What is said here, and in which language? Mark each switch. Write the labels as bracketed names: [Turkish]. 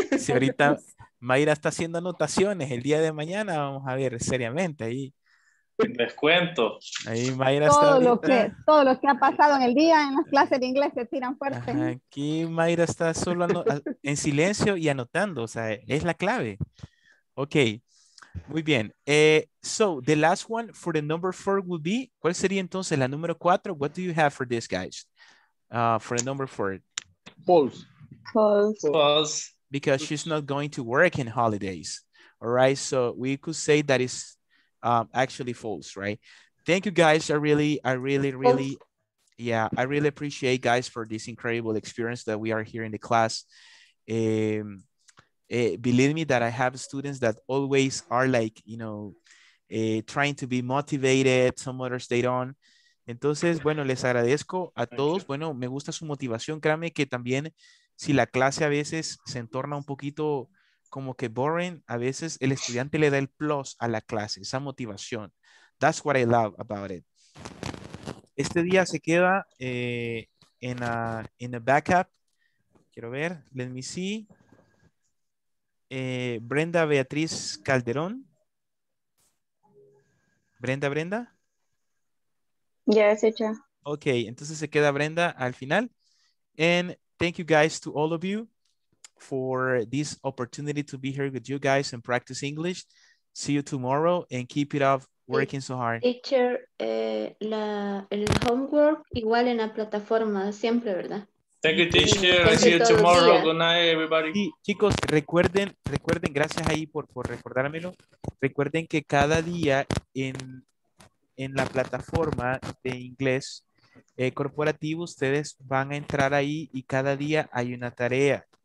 [Spanish] Si ahorita Mayra está haciendo anotaciones, el día de mañana vamos a ver seriamente ahí. Descuento. Ahí Mayra todo está. Todo lo que ha pasado en el día en las clases de inglés se tiran fuerte. Ajá, aquí Mayra está solo en silencio y anotando. O sea, es la clave. Ok. Muy bien. [English] So, the last one for the number four would be. [Spanish] ¿Cuál sería entonces la número cuatro? [English] What do you have for this, guys? For the number four. False. Because she's not going to work in holidays. All right. So, we could say that is. Actually false, right? Thank you guys. I really appreciate guys for this incredible experience that we are here in the class. Believe me that I have students that always are like, you know, trying to be motivated, some others they don't. [Spanish] Entonces, bueno, les agradezco a todos. Bueno, me gusta su motivación. Créanme que también si la clase a veces se entorna un poquito como que boring, a veces el estudiante le da el plus a la clase, esa motivación. [English] That's what I love about it. [Spanish] Este día se queda en [English] a backup. [Spanish] Quiero ver, [English] let me see. Brenda Beatriz Calderón. Brenda. [Spanish] Ya, yes, hecha. Ok, entonces se queda Brenda al final. [English] And thank you guys to all of you for this opportunity to be here with you guys and practice English. See you tomorrow and keep it up working so hard. [Spanish] Teacher, el homework igual en la plataforma siempre, ¿verdad? [English] Thank you, teacher. I see you tomorrow. Good night, everybody. [Spanish] Sí, chicos, recuerden, gracias ahí por recordármelo. Recuerden que cada día en la plataforma de inglés corporativo, ustedes van a entrar ahí y cada día hay una tarea.